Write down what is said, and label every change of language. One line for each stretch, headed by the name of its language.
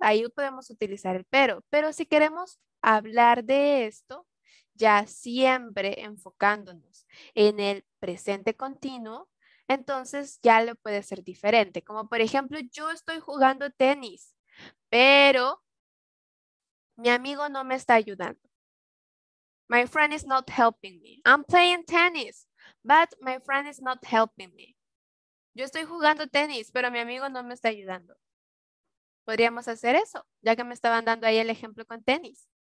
Spanish: Ahí podemos utilizar el pero. Pero si queremos hablar de esto, ya siempre enfocándonos en el presente continuo, entonces ya lo puede ser diferente. Como por ejemplo, yo estoy jugando tenis, pero mi amigo no me está ayudando.
English: My friend is not helping me. I'm playing tennis, but my friend is not helping me.
Spanish: Yo estoy jugando tenis, pero mi amigo no me está ayudando. Podríamos hacer eso, ya que me estaban dando ahí el ejemplo con tenis.